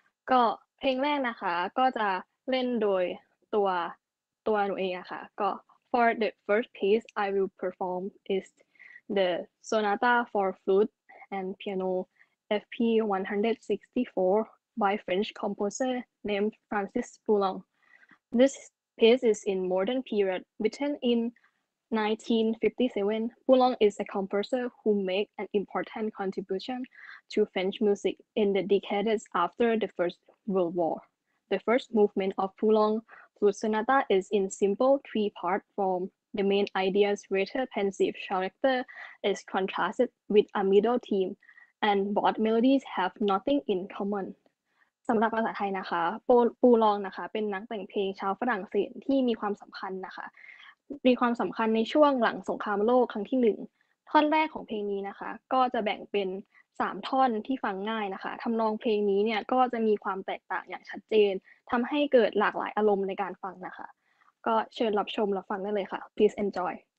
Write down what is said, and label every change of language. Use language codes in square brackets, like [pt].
[th] ก็เพลงแรกนะคะก็จะเล่นโดยตัวหนูเองอะค่ะก็ [en] For the first piece I will perform is the Sonata for Flute and Piano FP164 by French composer named Francis Poulenc. This piece is in modern period, written in 1957. Poulenc is a composer who made an important contribution to French music in the decades after the First World War. The first movement of Poulenc's Flute Sonata is in simple three-part form. The main idea's rather pensive character is contrasted with a middle theme, and both melodies have nothing in common. [th] สำหรับภาษาไทยนะคะปูลองนะคะเป็นนักแต่งเพลงชาวฝรั่งเศสที่มีความสำคัญนะคะมีความสำคัญในช่วงหลังสงครามโลกครั้งที่หนึ่งท่อนแรกของเพลงนี้นะคะก็จะแบ่งเป็น3ท่อนที่ฟังง่ายนะคะทำนองเพลงนี้เนี่ยก็จะมีความแตกต่างอย่างชัดเจนทำให้เกิดหลากหลายอารมณ์ในการฟังนะคะก็เชิญรับชมรับฟังได้เลยค่ะ [en] Please enjoy